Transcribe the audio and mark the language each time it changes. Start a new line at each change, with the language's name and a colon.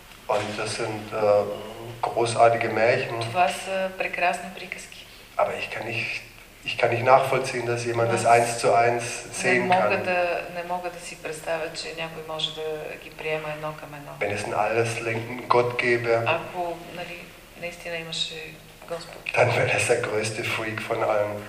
German: Und das sind großartige Märchen.
Bulgarian: Това са прекрасни приказки.
German: Aber ich kann nicht nachvollziehen, dass jemand das eins zu eins sehen kann.
Bulgarian: Не мога да си представя, че някой може да ги приема едно към едно.
German: Wenn es ein alleslenkenden Gott gäbe.
Bulgarian: Ако, нали, наистина имаше Господ.
German: Dann wäre es der größte Freak von allen.